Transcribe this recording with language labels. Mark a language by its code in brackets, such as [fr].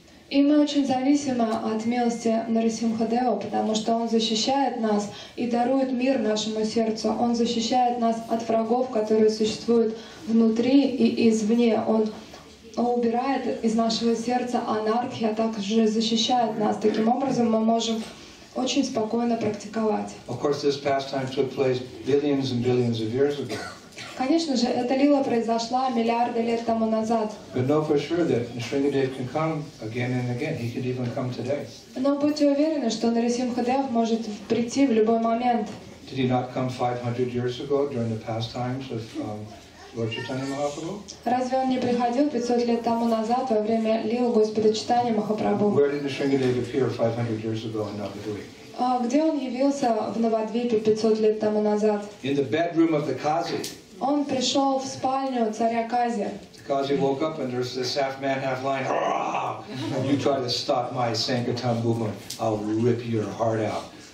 [ru] И мы очень зависимы от милости Нарасимхадева, потому что он защищает нас и дарует мир нашему сердцу. Он защищает нас от врагов, которые существуют внутри и извне. Он убирает из нашего сердца анархию, а также защищает нас. Таким образом, мы можем очень спокойно практиковать. [en] Of course, this pastime took place billions and billions of years ago. [ru] Конечно же, эта лила произошла миллиарды лет тому назад. [en] But know for sure that Nisringadev can come again and again. He could even come today. [ru] Но будьте уверены, что Нарасимхадев может прийти в любой момент. [en] Did he not come 500 years ago during the pastimes of Lord Chaitanya Mahaprabhu? [ru] Разве он не приходил 500 лет тому назад во время лил Господа Чайтаньи Махапрабху? [en] Where did Nisringadev appear 500 years ago in Navadvipa? [ru] Где он явился в Навадвипе 500 лет тому назад? [en] In the bedroom of the Kazi. [ru] Он пришел в спальню царя Кази. [en] The Kazi woke up and there's this half man, half lion. You try to stop my Sankirtan movement, I'll rip your heart out.